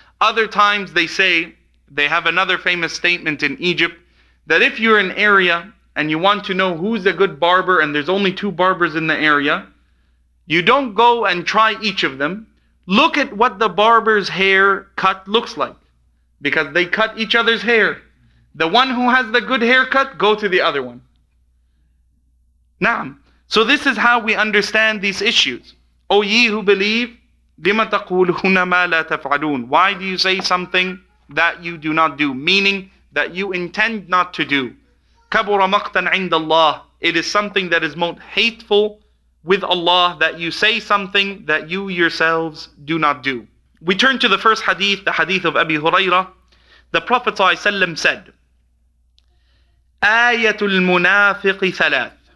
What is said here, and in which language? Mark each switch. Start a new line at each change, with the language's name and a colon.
English: Other times they say, they have another famous statement in Egypt, that if you're in an area and you want to know who's a good barber and there's only two barbers in the area, you don't go and try each of them. Look at what the barber's hair cut looks like, because they cut each other's hair. The one who has the good haircut, go to the other one. Naam. So this is how we understand these issues. O ye who believe,
Arabic: لِمَ تَقُولُهُنَّ مَا لَا تَفْعَلُونَ.
English: Why do you say something that you do not do? Meaning that you intend not to do.
Arabic: كَبُرَ مَقْتًا عِنْدَ اللَّهِ.
English: It is something that is most hateful with Allah, that you say something that you yourselves do not do. We turn to the first hadith, the hadith of Abi Hurairah. The Prophet ﷺ said, Ayatul Munafiqi thalath.